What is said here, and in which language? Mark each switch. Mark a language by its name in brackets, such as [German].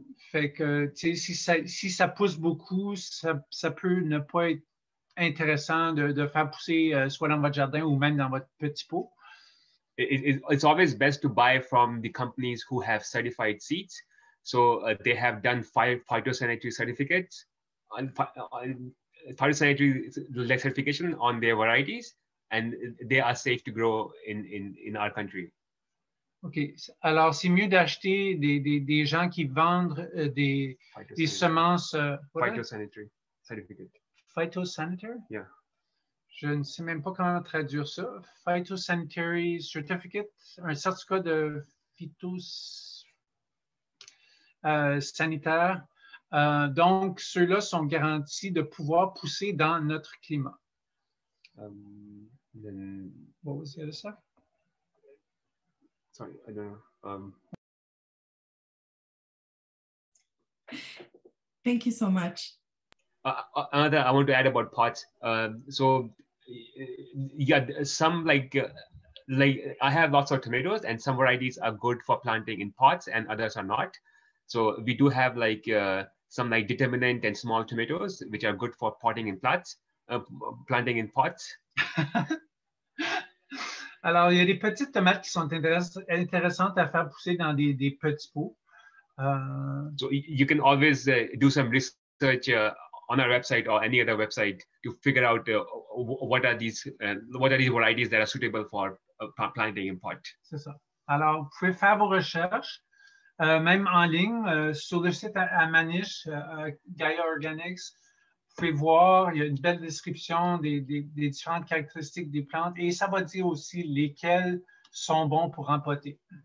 [French] Fait que si ça pousse beaucoup, ça peut ne pas être intéressant de faire pousser soit dans votre jardin ou même dans votre petit pot. [English] It's always best to buy from the companies who have certified seeds. So they have done 5 phytosanitary certificates on phytosanitary certification on their varieties, and they are safe to grow in our country. Okay. [French] Alors, c'est mieux d'acheter des gens qui vendent des semences. [English] Phytosanitary certificate. Phytosanitary? Yeah. [French] Je ne sais même pas comment traduire ça. Phytosanitary certificate, un certificat de phytosanitaire. Donc, ceux-là sont garantis de pouvoir pousser dans notre climat. [English] What was the other stuff? Sorry, I don't know. Thank you so much. Another I want to add about pots. I have lots of tomatoes, and some varieties are good for planting in pots and others are not. So we do have some determinant and small tomatoes which are good for potting in pots, planting in pots. [French] Alors, il y a des petites tomates qui sont intéressantes à faire pousser dans des petits pots. [English] So you can always do some research on our website or any other website to figure out what are these varieties that are suitable for planting in pot. [French] C'est ça. Alors, vous pouvez faire vos recherches, même en ligne, sur le site à Maniche, Gaia Organics. Vous pouvez voir, il y a une belle description des différentes caractéristiques des plantes et ça va dire aussi lesquelles sont bons pour empoter.